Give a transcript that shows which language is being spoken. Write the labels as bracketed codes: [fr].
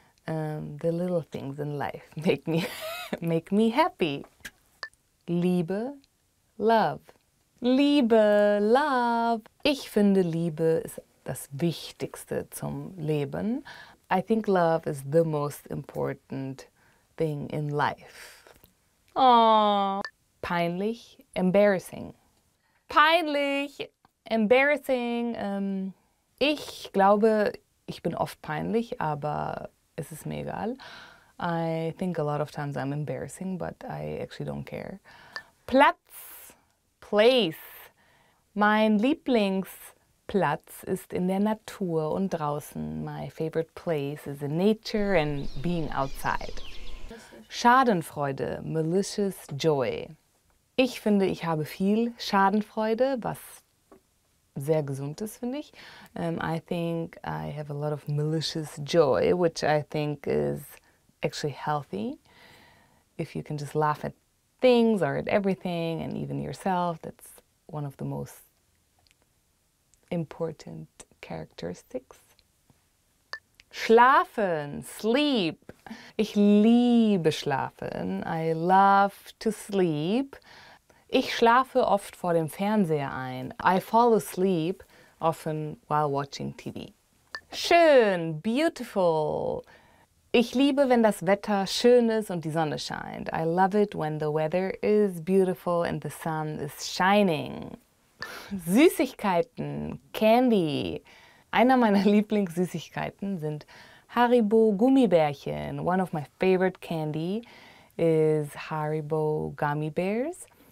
[en] The little things in life make me happy. [de] Liebe, love. Liebe, love. Ich finde, Liebe ist das Wichtigste zum Leben. [en] I think love is the most important thing in life. Aww. Peinlich, embarrassing. Peinlich, embarrassing. [de] Ich glaube, ich bin oft peinlich, aber es ist mir egal. [en] I think a lot of times I'm embarrassing, but I actually don't care. Platz. Place. [de] Mein Lieblingsplatz ist in der Natur und draußen. [en] My favorite place is in nature and being outside. Schadenfreude, malicious joy. [de] Ich finde, ich habe viel Schadenfreude, was sehr gesund ist, finde ich. [en] I think I have a lot of malicious joy, which I think is actually healthy. If you can just laugh at things or at everything and even yourself. That's one of the most important characteristics. [de] Schlafen, sleep. Ich liebe schlafen. [en] I love to sleep. [de] Ich schlafe oft vor dem Fernseher ein. [en] I fall asleep often while watching TV. Schön, beautiful. [de] Ich liebe, wenn das Wetter schön ist und die Sonne scheint. [en] I love it when the weather is beautiful and the sun is shining. [de] Süßigkeiten, candy. Einer meiner Lieblingssüßigkeiten sind Haribo Gummibärchen. [en] One of my favorite candy is Haribo Gummy Bears.